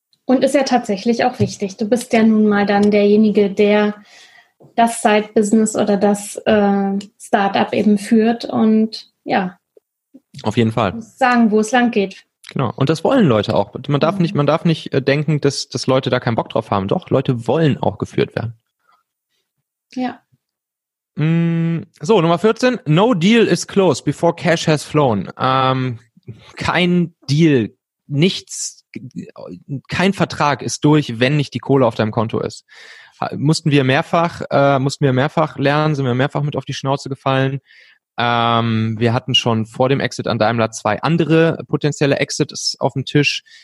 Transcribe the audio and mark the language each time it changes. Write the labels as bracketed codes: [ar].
[de] Und ist ja tatsächlich auch wichtig. Du bist ja nun mal dann derjenige, der das Side-Business oder das Startup eben führt. Und ja. Auf jeden Fall. Du musst sagen, wo es lang geht. Genau. Und das wollen Leute auch. Man darf nicht denken, dass Leute da keinen Bock drauf haben. Doch, Leute wollen auch geführt werden. Ja. So, Nummer 14. [en] No deal is closed before cash has flown. [de] Kein Deal, nichts, kein Vertrag ist durch, wenn nicht die Kohle auf deinem Konto ist. Mussten wir mehrfach lernen, sind wir mehrfach mit auf die Schnauze gefallen. Wir hatten schon vor dem Exit an Daimler zwei andere potenzielle Exits auf dem Tisch.